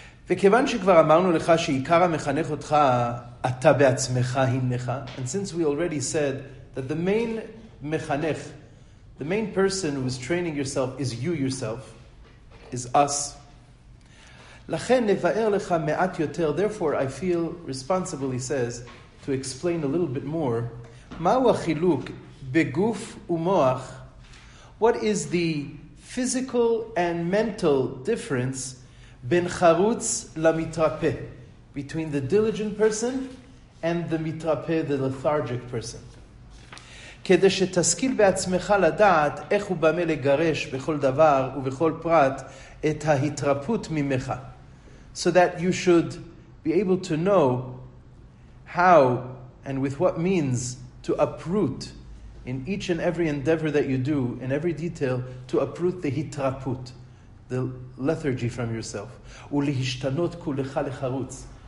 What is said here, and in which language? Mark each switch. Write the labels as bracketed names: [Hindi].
[Hebrew] וכיוון שכבר אמרנו לך שעיקר המחנך אותך אתה בעצמך הינך. [English] And since we already said that the main mechanech, the main person who is training yourself is you yourself, is us. [Hebrew] לכן נבאר לך מעט יותר. [English] Therefore, I feel responsible, he says, to explain a little bit more. [Hebrew] מהו החילוק בגוף ומוח? [English] What is the physical and mental difference [Hebrew] בין חרוץ למתרפא, [English] between the diligent person and the מתרפא, the lethargic person. [Hebrew] כדי שתשכיל בעצמך לדעת איך הוא במה לגרש בכל דבר ובכל פרט את ההתרפות ממך. [English] So that you should be able to know how and with what means to uproot in each and every endeavor that you do, in every detail, to uproot the התרפות. The lethargy from yourself. [Hebrew] ולהשתנות כולך לחרוץ.